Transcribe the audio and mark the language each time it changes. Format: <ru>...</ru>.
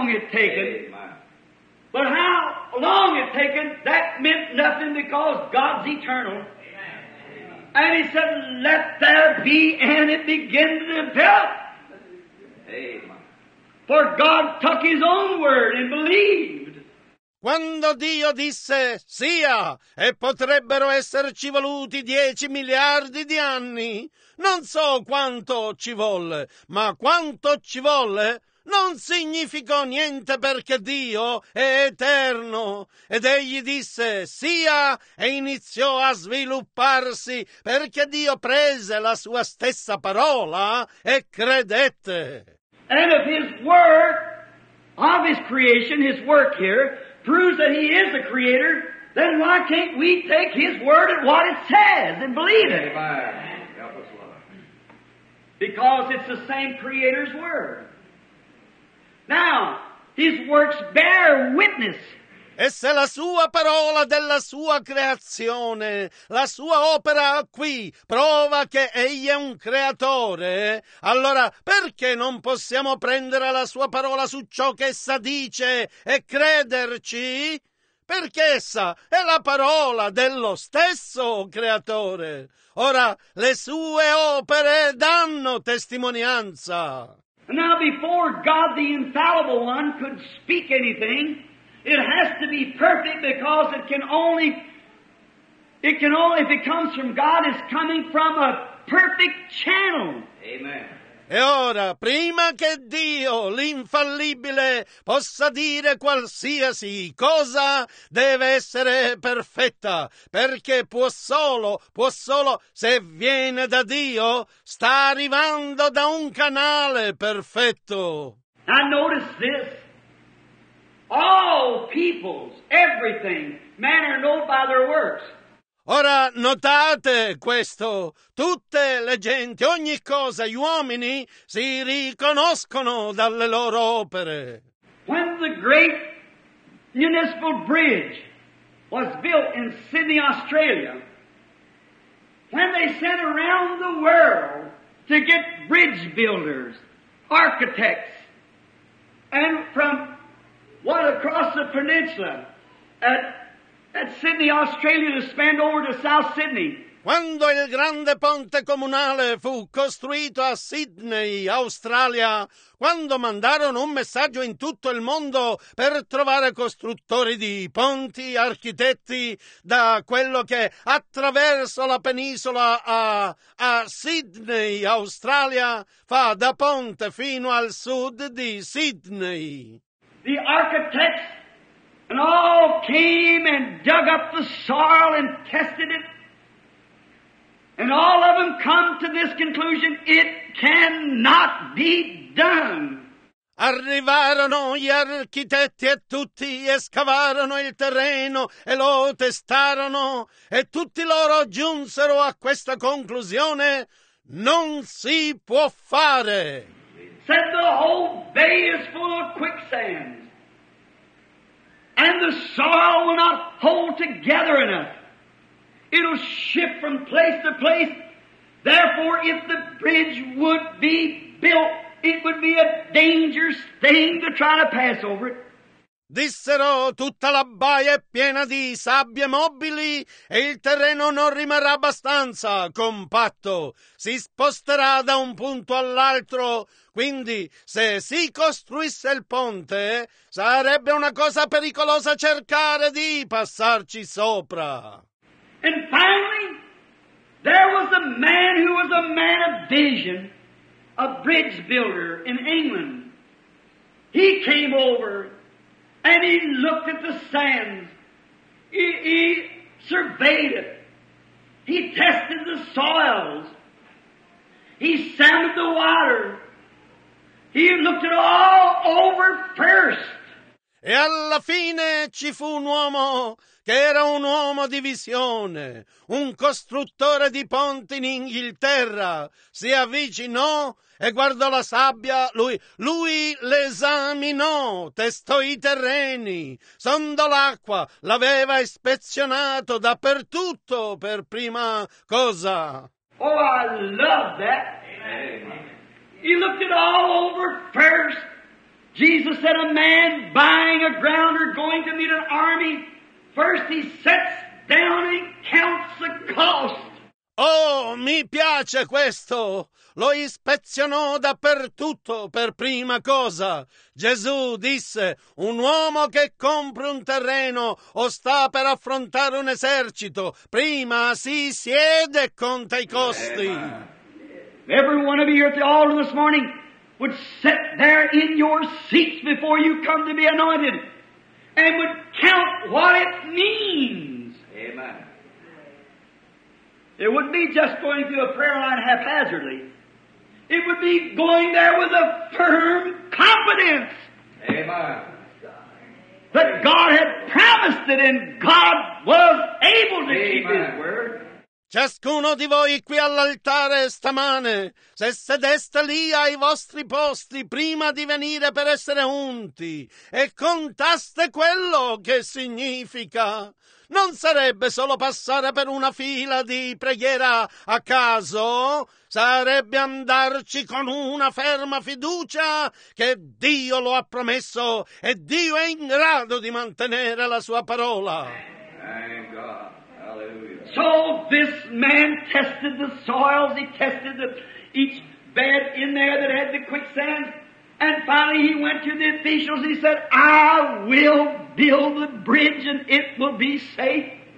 <en>taken, but how long it taken, that meant nothing because God's eternal. And he said, let there be, and it began to develop. Amen. For God took his own word and believed.</en> <it>Quando Dio disse, sia, e potrebbero esserci voluti 10 miliardi di anni, non so quanto ci volle, ma quanto ci volle non significò niente perché Dio è eterno. Ed egli disse, sia, e iniziò a svilupparsi, perché Dio prese la sua stessa parola e credette.</it> <en>And of his work, of his creation, his work here, proves that he is the creator, then why can't we take his word and what it says and believe it? Because it's the same creator's word. Now, his works bear witness.</en> <it>E se la sua parola della sua creazione, la sua opera qui, prova che egli è un creatore, allora perché non possiamo prendere la sua parola su ciò che essa dice e crederci? Perché essa è la parola dello stesso creatore. Ora, le sue opere danno testimonianza.</it> <en>Now, before God, the infallible one, could speak anything, it has to be perfect because it can only, if it comes from God, it's coming from a perfect channel. Amen.</en> <it>E ora, prima che Dio, l'infallibile, possa dire qualsiasi cosa, deve essere perfetta, perché può solo, se viene da Dio, sta arrivando da un canale perfetto.</it> <en>Now notice this. All peoples, everything, men are known by their works.</en> <it>Ora notate questo, tutte le genti, ogni cosa, gli uomini, si riconoscono dalle loro opere.</it> <en>When the great municipal bridge was built in Sydney, Australia, when they sent around the world to get bridge builders, architects, and from what across the peninsula at Sydney, Australia, to spend over to South Sydney.</en> <it>Quando il grande ponte comunale fu costruito a Sydney, Australia, quando mandarono un messaggio in tutto il mondo per trovare costruttori di ponti, architetti, da quello che attraverso la penisola a Sydney, Australia, fa da ponte fino al sud di Sydney.</it> <en>The architects and all came and dug up the soil and tested it. And all of them come to this conclusion, it cannot be done.</en> <it>Arrivarono gli architetti e tutti escavarono il terreno e lo testarono e tutti loro giunsero a questa conclusione, non si può fare.</it> <en>Said the whole bay is full of quicksand. And the soil will not hold together enough. It'll shift from place to place. Therefore, if the bridge would be built, it would be a dangerous thing to try to pass over it.</en> <it>Dissero, tutta la baia è piena di sabbie mobili e il terreno non rimarrà abbastanza compatto. Si sposterà da un punto all'altro. Quindi, se si costruisse il ponte, sarebbe una cosa pericolosa cercare di passarci sopra.</it> <en>And finally, there was a man who was a man of vision, a bridge builder in England. He came over. And he looked at the sands, he surveyed it, he tested the soils, he sounded the water, he looked it all over first.</en> <it>E alla fine ci fu un uomo che era un uomo di visione, un costruttore di ponti in Inghilterra, si avvicinò e guardò la sabbia, lui l'esaminò, testò i terreni, sondò l'acqua, l'aveva ispezionato dappertutto per prima cosa.</it> <en>Oh, I love that. Amen. He looked it all over first. Jesus said a man buying a ground or going to meet an army, first he sets down and counts the cost.</en> <it>Oh, mi piace questo! Lo ispezionò dappertutto per prima cosa. Gesù disse, un uomo che compra un terreno o sta per affrontare un esercito, prima si siede e conta i costi.</it> <en>Every one of you at the altar this morning would sit there in your seats before you come to be anointed and would count what it means. Amen. It wouldn't be just going through a prayer line haphazardly. It would be going there with a firm confidence. Amen. That God had promised it and God was able to keep His word.</en> <it>Ciascuno di voi qui all'altare stamane, se sedeste lì ai vostri posti prima di venire per essere unti e contaste quello che significa, non sarebbe solo passare per una fila di preghiera a caso, sarebbe andarci con una ferma fiducia che Dio lo ha promesso e Dio è in grado di mantenere la sua parola.</it> <en>Thank God. So this man tested the soils, he tested each bed in there that had the quicksand, and finally he went to the officials, he said, I will build the bridge and it will be safe.</en>